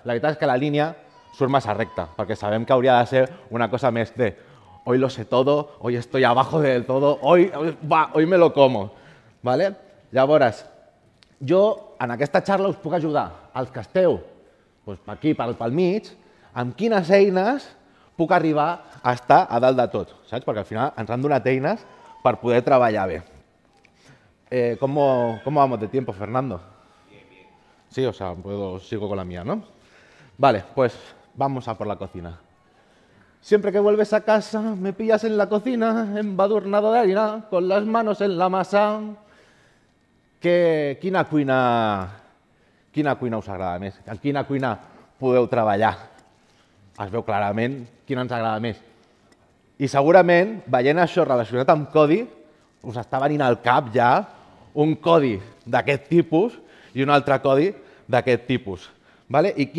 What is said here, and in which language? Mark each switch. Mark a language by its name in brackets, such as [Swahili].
[Catalan] La veritat és que la línia surt massa recta, perquè sabem que hauria de ser una cosa més de [Spanish] hoy lo sé todo, hoy estoy abajo del todo, hoy me lo como. [Catalan] ¿Vale? Llavors, jo en aquesta xarra us puc ajudar, als que esteu doncs, aquí pel mig, amb quines eines puc arribar a estar a dalt de tot, saps? Perquè al final ens han donat eines per poder treballar bé. [Spanish] ¿Cómo vamos de tiempo, Fernando? Bien, bien. Sí, sigo con la mía, ¿no? Vale, pues Vamos a por la cocina. Siempre que vuelves a casa, me pillas en la cocina, embadurnado de harina, con las manos en la masa. [Catalan] Que quina cuina... Quina cuina us agrada més? En quina cuina podeu treballar? Es veu clarament quina ens agrada més. I segurament, veient això relacionat amb codi, us està venint al cap ja un codi d'aquest tipus i un altre codi d'aquest tipus. Vale?